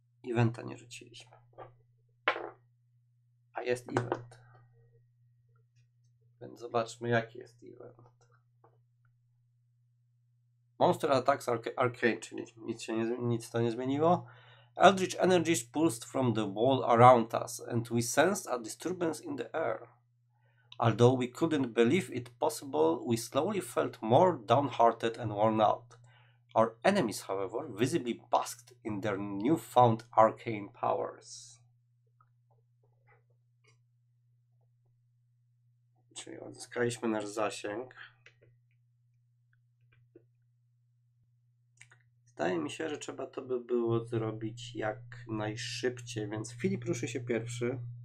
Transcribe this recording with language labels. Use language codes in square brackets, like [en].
[pl] Eventa nie rzuciliśmy. A jest event. Więc zobaczmy, jaki jest event. Monster Attacks Arcane, czyli nic to nie zmieniło. [en] Eldritch energies pulsed from the wall around us, and we sensed a disturbance in the air. Although we couldn't believe it possible, we slowly felt more downhearted and worn out. Our enemies, however, visibly basked in their newfound arcane powers. [pl] Czyli odzyskaliśmy nasz zasięg. Wydaje mi się, że trzeba to by było zrobić jak najszybciej, więc Filip ruszy się pierwszy.